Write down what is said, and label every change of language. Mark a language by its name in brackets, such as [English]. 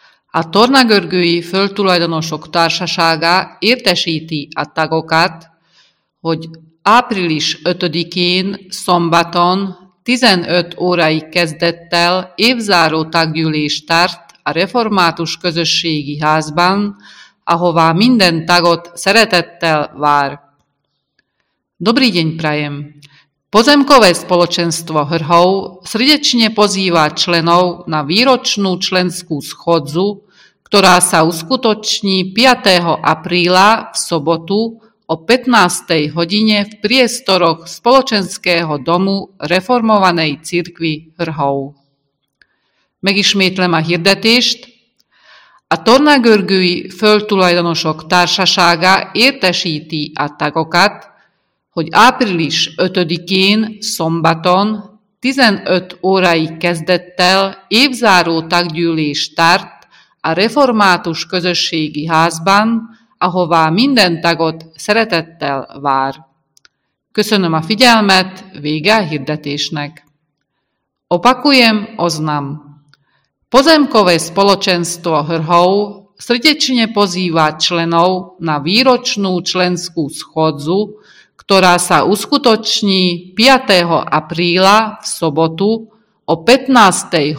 [Hungarian] A tornagörgői földtulajdonosok társasága értesíti a tagokat, hogy április 5-én szombaton 15 óráig kezdett el évzáró taggyűlést tart a református közösségi házban, ahová minden tagot szeretettel vár. [Slovak] Dobrý deň, prajem! Pozemkové spoločenstvo Hrhov srdečne pozýva členov na výročnú členskú schodzu, ktorá sa uskutoční 5. apríla v sobotu o 15. hodine v priestoroch spoločenského domu reformovanej cirkvi Hrhov. [Hungarian] Megismétlem a hirdetést. A tornagörgői földtulajdonosok társasága értesíti a tagokat, hogy április 5-én szombaton 15 óráig kezdett el évzáró taggyűlés tart a református közösségi házban, ahová minden tagot szeretettel vár. Köszönöm a figyelmet, vége a hirdetésnek. [Slovak] Opakujem, oznam. Pozemkové spoločenstvo Hrhov srdečne pozýva členov na výročnú členskú schodzu, ktorá sa uskutoční 5. apríla v sobotu o 15.